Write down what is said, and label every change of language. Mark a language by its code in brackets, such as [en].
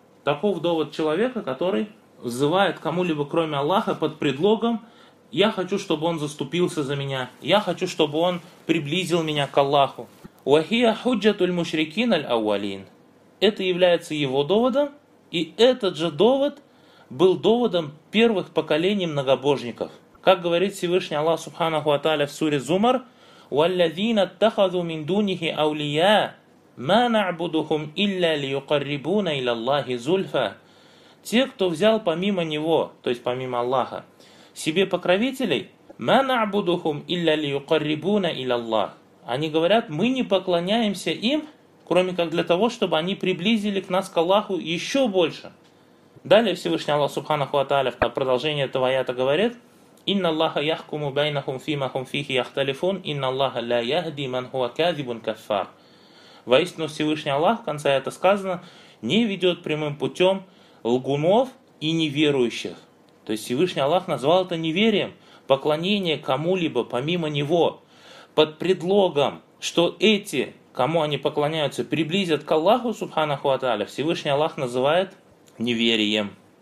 [ru] Таков довод человека, который взывает кому-либо, кроме Аллаха, под предлогом «Я хочу, чтобы он заступился за меня. Я хочу, чтобы он приблизил меня к Аллаху». [ar] وَهِيَ حُجَّةُ الْمُشْرِكِينَ الْأَوَّلِينَ. [ru] Это является его доводом, и этот же довод был доводом первых поколений многобожников. Как говорит Всевышний Аллах Субханаху ва Тааля в суре Зумар, [ar] وَالَّذِينَ اتَّخَذُوا مِنْ دُونِهِ أَوْلِيَاءَ مَا نَعْبُدُهُمْ إِلَّا لِيُقَرِّبُونَ إِلَى اللَّهِ زُلْفَى. [ru] Те, кто взял помимо него, то есть помимо Аллаха, себе покровителей, [ar] مَا نَعْبُدُهُمْ إِلَّا لِيُقَرِّبُونَ إِلَى اللَّهِ. [ru] Они говорят, мы не поклоняемся им, кроме как для того, чтобы они приблизили к нас, к Аллаху, еще больше. Далее Всевышний Аллах Субханаху ва Тааля в продолжение этого аята говорит, [ar] إِنَّ اللَّهَ يَحْكُمُ بَيْنَهُمْ فِي مَهُمْ فِيهِ يَخْتَلِفُونَ إِنَّ اللَّهَ لَا يَهْدِي مَنْ هُوَ كَذِبٌ كَفَّارٌ. [ru] Воистину Всевышний Аллах, в конце это сказано, не ведет прямым путем лгунов и неверующих. То есть Всевышний Аллах назвал это неверием, поклонение кому-либо помимо Него, под предлогом, что эти, кому они поклоняются, приблизят к Аллаху, субханаху ва тааля, Всевышний Аллах называет неверием.